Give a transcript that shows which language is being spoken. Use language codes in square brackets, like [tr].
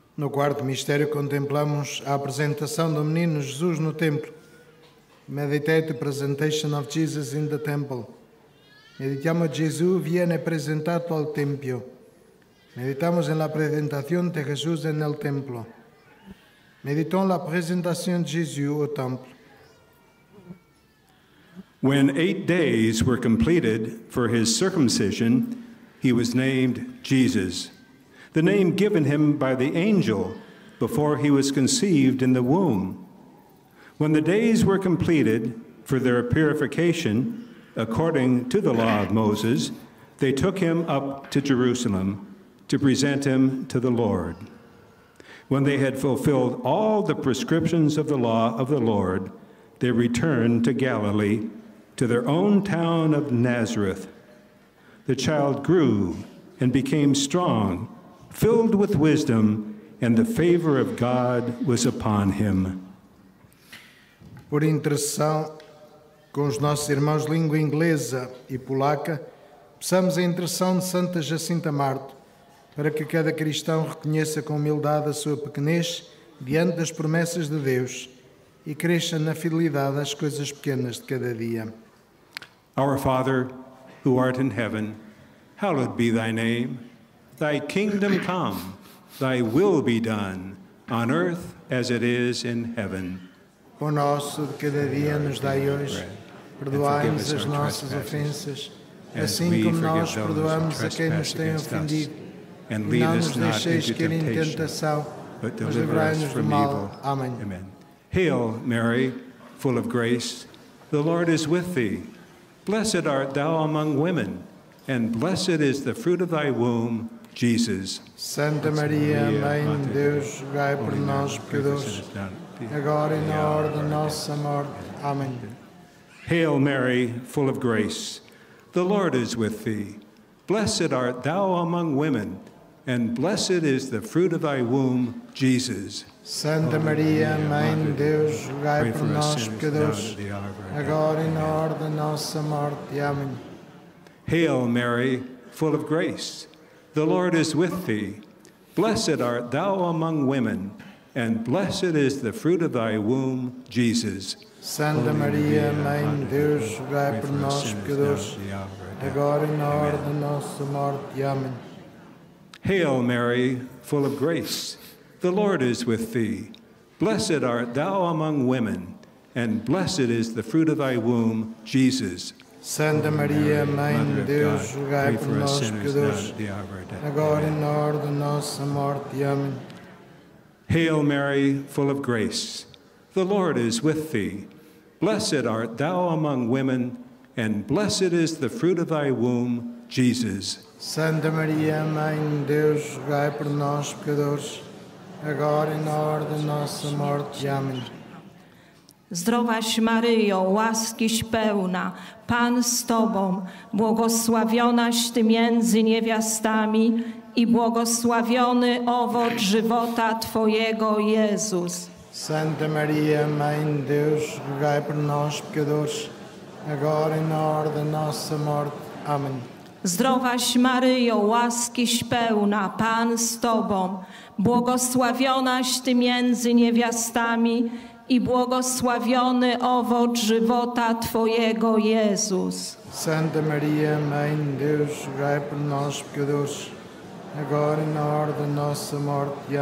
[pt] quarto mistério, contemplamos a apresentação do menino Jesus no templo. [en] Meditate the presentation of Jesus in the temple. [it] Meditiamo Gesù viene presentato al tempio. [es] Meditamos en la presentación de Jesús en el templo. [fr] Meditons la présentation de Jésus au temple. [en] When 8 days were completed for his circumcision, he was named Jesus, the name given him by the angel before he was conceived in the womb. When the days were completed for their purification, according to the law of Moses, they took him up to Jerusalem to present him to the Lord. When they had fulfilled all the prescriptions of the law of the Lord, they returned to Galilee, to their own town of Nazareth. The child grew and became strong, filled with wisdom, and the favor of God was upon him. [pt] Por intercessão com os nossos irmãos de língua inglesa e polaca, peçamos a intercessão de Santa Jacinta Marto, para que cada cristão reconheça com humildade a sua pequenez diante das promessas de Deus e cresça na fidelidade às coisas pequenas de cada dia. [en] Our Father, who art in heaven, hallowed be thy name. Thy kingdom come, thy will be done, on earth as it is in heaven. [pt] O nosso de cada dia nos dai hoje, perdoai-nos as nossas ofensas, assim como nós perdoamos a quem nos tem ofendido. E não nos deixeis cair em tentação, mas livrai-nos do mal. Amém. [en] Hail Mary, full of grace, the Lord is with thee. Blessed art thou among women, and blessed is the fruit of thy womb, Jesus. [pt] Santa Maria, Mãe de Deus, rogai por nós, pecadores, agora e na hora da nossa morte. Amém. [en] Hail Mary, full of grace, the Lord is with thee. Blessed art thou among women, and blessed is the fruit of thy womb, Jesus. [pt] Santa Maria, Mãe de Deus, rogai por nós, pecadores, agora e na hora da nossa morte. Amém. [en] Hail Mary, full of grace, the Lord is with thee. Blessed art thou among women, and blessed is the fruit of thy womb, Jesus. [pt] Santa Maria, Mãe de Deus, rogai por nós, pecadores, agora e na hora da nossa morte. Amém. [en] Hail Mary, full of grace, the Lord is with thee. Blessed art thou among women, and blessed is the fruit of thy womb, Jesus. [pt] Santa Maria, Mãe de Deus, rogai por nós, pecadores, agora e na hora da nossa morte. Amém. [en] Hail Mary, full of grace, the Lord is with thee. Blessed art thou among women, and blessed is the fruit of thy womb, Jesus. [pt] Santa Maria, Mãe de Deus, rogai por nós, pecadores, agora e na hora da nossa morte. Amém. [pl] Zdrowaś Maryjo, łaskiś pełna, Pan z Tobą, błogosławionaś Ty między niewiastami i błogosławiony owoc żywota Twojego, Jezus. [pt] Santa Maria, Mãe de Deus, rogai por nós, pecadores, agora e na hora da nossa morte. Amém. [pl] Zdrowaś Maryjo, łaskiś pełna, Pan z Tobą, błogosławionaś Ty między niewiastami i błogosławiony owoc żywota Twojego, Jezus. [pt] Santa Maria, Mãe de Deus, rogai por nós, pecadores, agora e na hora da nossa morte.